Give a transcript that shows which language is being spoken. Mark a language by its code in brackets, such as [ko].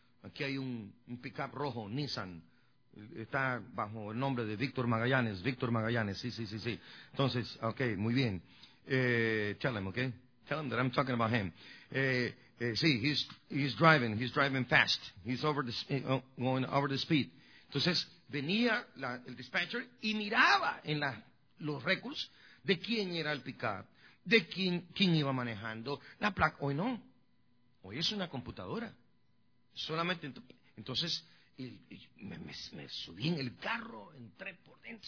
[es] Aquí hay un pickup rojo, Nissan, está bajo el nombre de Víctor Magallanes, sí. Entonces, ok, muy bien. [en] Tell him that I'm talking about him. Sí, he's driving fast. He's going over the speed. [es] Entonces, venía el dispatcher y miraba en los récords de quién era el pickup, de quién iba manejando la placa. Hoy no. Hoy es una computadora. Solamente. Entonces, me subí en el carro, entré por dentro.